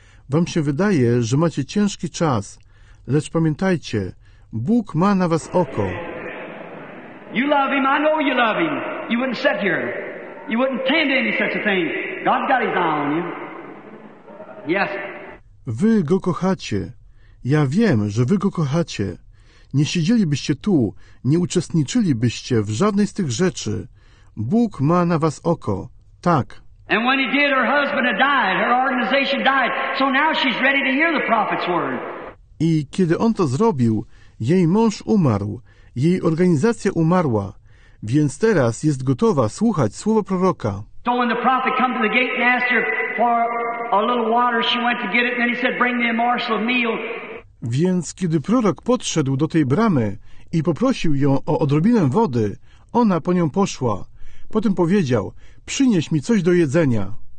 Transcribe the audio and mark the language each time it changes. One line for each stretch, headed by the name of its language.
Polish: Wam się wydaje, że macie ciężki czas, lecz pamiętajcie, Bóg ma na was oko.
English: You love him, I know you love him. You wouldn't sit here. You wouldn't tend to any such a thing. God's got his eye on you. Yes.
Polish: Wy go kochacie. Ja wiem, że wy go kochacie. Nie siedzielibyście tu, nie uczestniczylibyście w żadnej z tych rzeczy. Bóg ma na was oko. Tak.
English: And when he did, her husband had died, her organization died. So now she's ready to hear the prophet's word.
Polish: I kiedy on to zrobił, jej mąż umarł, jej organizacja umarła, więc teraz jest gotowa słuchać słowa proroka.
English: So when the prophet came to the gate and asked her for a little water, she went to get it, and then he said, bring me a morsel of meal.
Polish: Więc kiedy prorok podszedł do tej bramy i poprosił ją o odrobinę wody, ona po nią poszła. Potem powiedział, przynieś mi coś do jedzenia.